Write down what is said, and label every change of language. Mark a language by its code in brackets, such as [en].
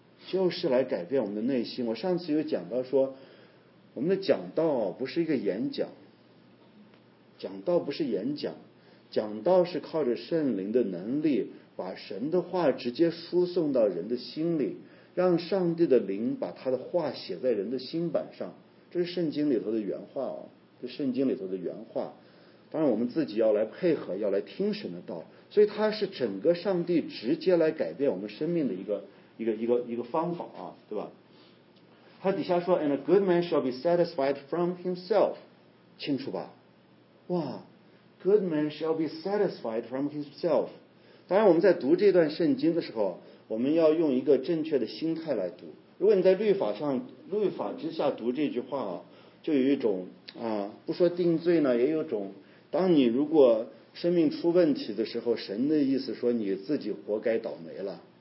[zh] 就是来改变我们的内心。我上次有讲到说，我们的讲道不是一个演讲，讲道不是演讲，讲道是靠着圣灵的能力，把神的话直接输送到人的心里，让上帝的灵把他的话写在人的心板上。这是圣经里头的原话哦，这是圣经里头的原话。当然我们自己要来配合，要来听神的道，所以它是整个上帝直接来改变我们生命的一个方法啊，对吧？他底下说 [en] And a good man shall be satisfied from himself， [zh] 清楚吧？哇， [en] Good man shall be satisfied from himself。 [zh] 当然我们在读这段圣经的时候，我们要用一个正确的心态来读。如果你在律法之下读这句话，就有一种不说定罪呢，也有种当你如果生命出问题的时候，神的意思说你自己活该倒霉了。